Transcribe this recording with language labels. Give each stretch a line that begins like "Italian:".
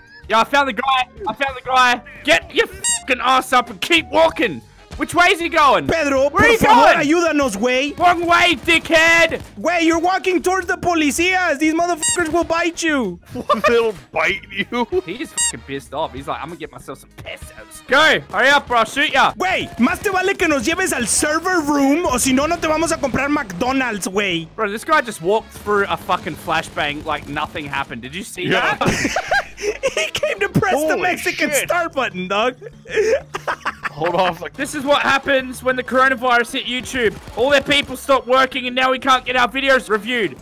English: Yeah, I found the guy. Get your fucking ass up and keep walking. Which way is he going? Pedro, where are you going?
Spanish: Ayúdanos, güey.
English: Wrong way, dickhead. Güey, you're walking towards the policías. These motherfuckers will bite you. What? They'll bite you? He's fucking pissed off. He's like, I'm going to get myself some pesos. Go, hurry up, bro. I'll shoot ya.
Spanish: Güey, más te vale que nos lleves al
English: server room
Spanish: o si no, no te vamos a comprar McDonald's, güey.
English: Bro, this guy just walked through a fucking flashbang like nothing happened. Did you see that? He came to press the Mexican start button, dog. Hold off. Like, this is what happens when the coronavirus hit YouTube. All their people stopped working and now we can't get our videos reviewed.